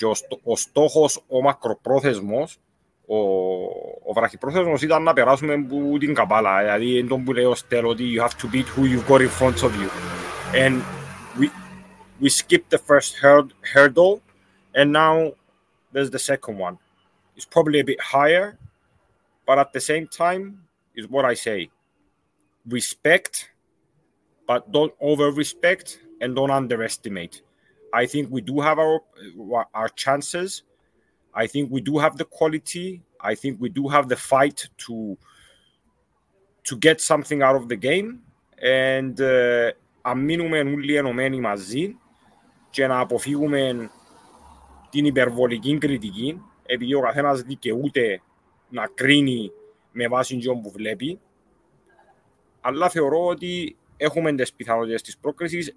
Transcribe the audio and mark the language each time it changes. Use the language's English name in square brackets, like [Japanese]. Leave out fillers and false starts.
[Greek] Και ο στόχος, ο μακροπρόθεσμος, ο βραχυπρόθεσμος ήταν να περάσουμε που την Καμπάλα. Δηλαδή, εν τον που λέει ο Στέλ, ότι [English] you have to beat who you've got in front of you. And we skipped the first hurdle, and now there's the second one. It's probably a bit higher, but at the same time, is what I say. Respect, but don't over-respect and don't underestimate. I think we do have our chances. I think we do have the quality. I think we do have the fight to get something out of the game. [Greek] And αμείνουμε όλοι ενωμένοι μαζί και να αποφύγουμε την υπερβολική κριτική, επειδή ο καθένας δικαιούται να κρίνει με βάση τον που βλέπει. Αλλά θεωρώ ότι έχουμε τις πιθανότητες της πρόκρισης.